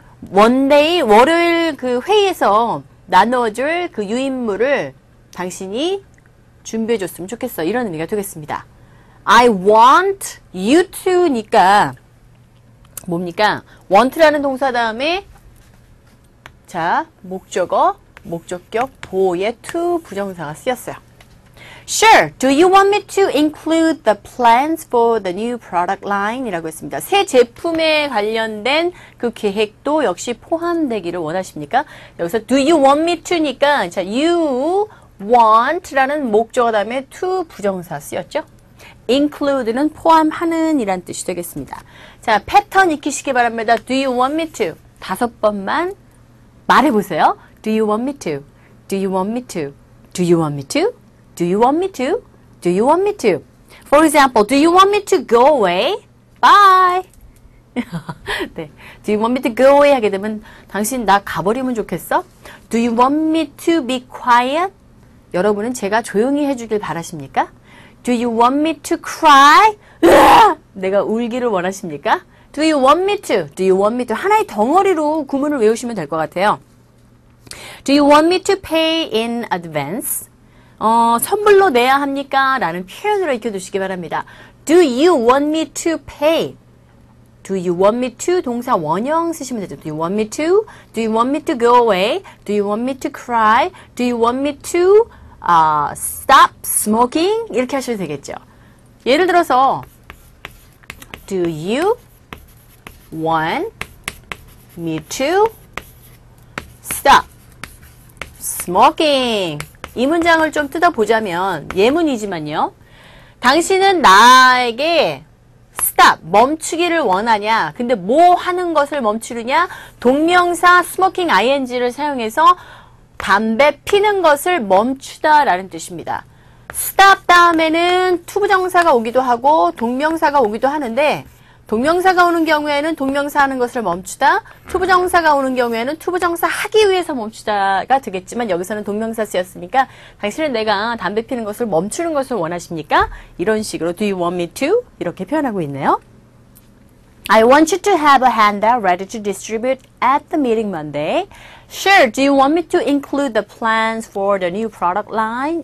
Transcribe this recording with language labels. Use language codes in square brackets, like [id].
[en] One day, [ko] 월요일 그 회의에서 나눠줄 그 유인물을 당신이 준비해 줬으면 좋겠어. 이런 의미가 되겠습니다. [en] I want you to [ko] 니까 뭡니까? want라는 동사 다음에 자, 목적어, 목적격, 보의 to 부정사가 쓰였어요. [en] Sure, do you want me to include the plans for the new product line? [ko] 이라고 했습니다. 새 제품에 관련된 그 계획도 역시 포함되기를 원하십니까? 여기서 do you want me to니까 자, you want라는 목적어 다음에 to 부정사 쓰였죠? include는 포함하는 이란 뜻이 되겠습니다. 자, 패턴 익히시기 바랍니다. [en] Do you want me to? 다섯 번만 말해보세요. Do you want me to? Do you want me to? Do you want me to? Do you want me to? Do you want me to? For example, do you want me to go away? Bye! 네. Do you want me to go away? [ko] 하게 되면 당신 나 가버리면 좋겠어? [en] Do you want me to be quiet? [ko] 여러분은 제가 조용히 해주길 바라십니까? [en] Do you want me to cry? [ko] 내가 울기를 원하십니까? [en] Do you want me to? Do you want me to? [ko] 하나의 덩어리로 구문을 외우시면 될 것 같아요. [en] Do you want me to pay in advance? [ko] 선물로 내야 합니까? 라는 표현으로 익혀두시기 바랍니다. [en] Do you want me to pay? Do you want me to? [ko] 동사 원형 쓰시면 되죠. [en] Do you want me to? Do you want me to go away? Do you want me to cry? Do you want me to stop smoking? [ko] 이렇게 하셔도 되겠죠. 예를 들어서 [en] Do you want me to stop smoking? [ko] 이 문장을 좀 뜯어보자면 예문이지만요. 당신은 나에게 stop, 멈추기를 원하냐. 근데 뭐 하는 것을 멈추느냐. 동명사 smoking ing를 사용해서 담배 피는 것을 멈추다 라는 뜻입니다. stop 다음에는 to 부정사가 오기도 하고 동명사가 오기도 하는데 동명사가 오는 경우에는 동명사 하는 것을 멈추다, 투부정사가 오는 경우에는 투부정사 하기 위해서 멈추다가 되겠지만 여기서는 동명사 쓰였으니까 당신은 내가 담배 피는 것을 멈추는 것을 원하십니까? 이런 식으로 [en] Do you want me to? [ko] 이렇게 표현하고 있네요. [en] I want you to have a handout ready to distribute at the meeting Monday. Sure, do you want me to include the plans for the new product line?